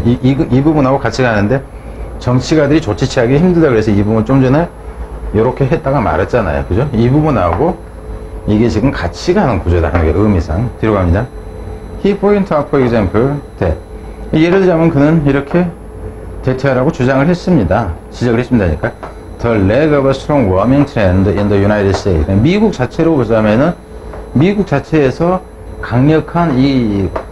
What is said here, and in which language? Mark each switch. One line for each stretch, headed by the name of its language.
Korean: 이 부분하고 같이 가는데 정치가들이 조치 취하기 힘들다 그래서 이 부분을 좀 전에 이렇게 했다가 말했잖아요. 그죠? 이 부분하고 이게 지금 같이 가는 구조다 하는 게 의미상. 뒤로 갑니다.
English: He point out for example that.
Korean: 예를 들자면 그는 이렇게 대체하라고 주장을 했습니다. 지적을 했습니다니까.
English: The lack of a strong warming trend in the United States.
Korean: 미국 자체로 보자면은, 미국 자체에서 강력한 이